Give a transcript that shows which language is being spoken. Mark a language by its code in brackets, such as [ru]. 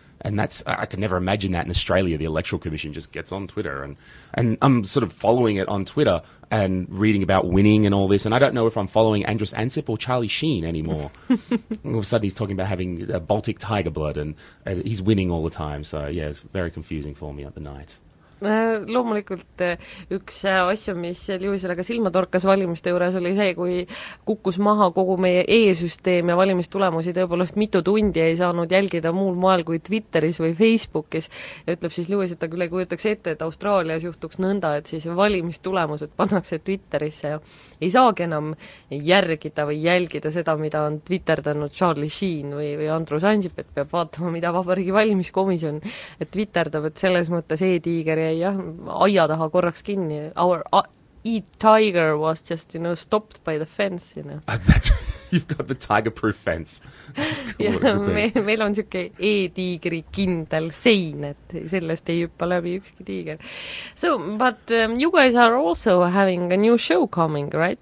[en] And that's, I could never imagine that in Australia, the Electoral Commission just gets on Twitter. And I'm sort of following it on Twitter and reading about winning and all this. And I don't know if I'm following Andrus Ansip or Charlie Sheen anymore. All of a sudden he's talking about having a Baltic tiger blood and he's winning all the time. So yeah, it's very confusing for me at the night. [et] Loomulikult üks asja, mis Liusele ka silma torkas valimiste juures, oli see, kui kukkus maha kogu meie e-süsteem ja valimistulemusi tõepoolest mitu tundi ei saanud jälgida muul moel kui Twitteris või Facebookis. Ja ütleb siis Liusele, et ta küll ei kujutaks ette, et Austraalias juhtuks nõnda, et siis valimistulemused pannakse Twitterisse ja ei saagi enam järgida või jälgida seda, mida on twitterdanud Charlie Sheen või Andrus Ansip, et peab vaatama, mida Vabariigi valimiskomisjon twitterdab, et selles mõttes e-tiiger jäi aia taha korraks kinni. [en] Our e-tiger was just, you know, stopped by the fence, you know. You've got the tiger-proof fence. That's cool. [et] Ja, meil on selline e-tiigri kindel sein, et sellest ei juppa läbi ükski tiiger. [en] So, but you guys are also having a new show coming, right?